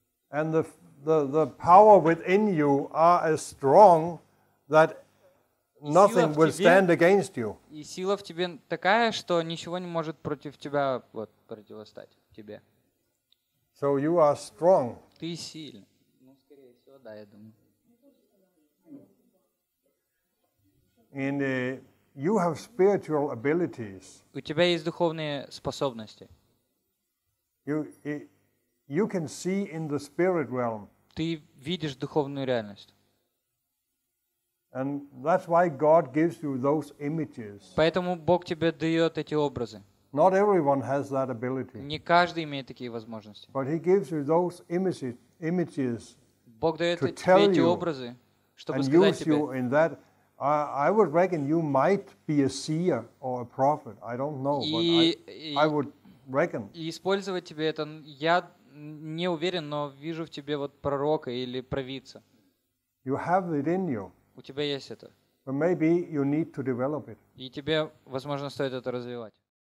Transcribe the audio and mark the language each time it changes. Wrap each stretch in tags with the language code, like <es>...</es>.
<en>And the power within you are as strong that nothing will stand against you.</en> <ru>И сила в тебе такая, что ничего не может против тебя вот противостать тебе.</ru> <en>So you are strong.</en> <ru>Ты сильный. Ну, скорее всего, да, я думаю.</ru> <en>And you have spiritual abilities.</en> <ru>У тебя есть духовные способности.</ru> <en>You can see in the spirit realm.</en> <ru>Ты видишь духовную реальность.</ru> <en>And that's why God gives you those images.</en> <ru>Поэтому Бог тебе дает эти образы.</ru> <en>Not everyone has that ability.</en> <ru>Не каждый имеет такие возможности.</ru> <en>But He gives you those images.</en> <ru>Бог дает тебе эти образы, чтобы сказать тебе.</ru> <en>And use you in that. I would reckon you might be a seer or a prophet. I don't know, but I would reckon.</en> <ru>И использовать тебе это, я не уверен, но вижу в тебе вот пророка или провидца.</ru> <en>You have it in you.</en> <ru>У тебя есть это.</ru> <en>But maybe you need to develop it.</en> <ru>И тебе, возможно, стоит это развивать.</ru>